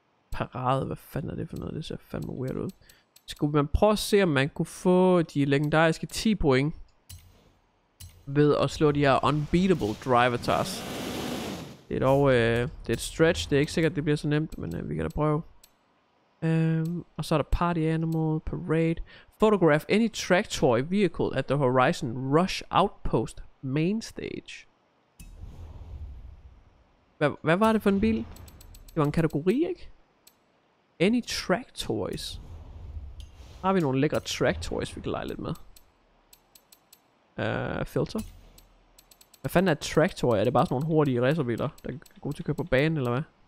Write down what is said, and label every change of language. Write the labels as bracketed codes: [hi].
[da] Parade, hvad fanden er det for noget? Det ser fandme weird ud. Skal man prøve at se, om man kunne få de legendariske 10 point ved at slå de her [en] unbeatable driver tasks. [da] Det er dog det er et stretch. Det er ikke sikkert, det bliver så nemt, men vi kan da prøve. Og så er der party animal, parade. [en] Photograph any track toy vehicle at the Horizon Rush Outpost main stage. [da] Hvad var det for en bil? Det var en kategori, ikke? Any track toys. Har vi nogle lækre track toys, vi kan lege lidt med? Filter. Hvad fanden er track toy? Er det bare sådan nogle hurtige racerbiler, der er gode til at køre på banen, eller hvad?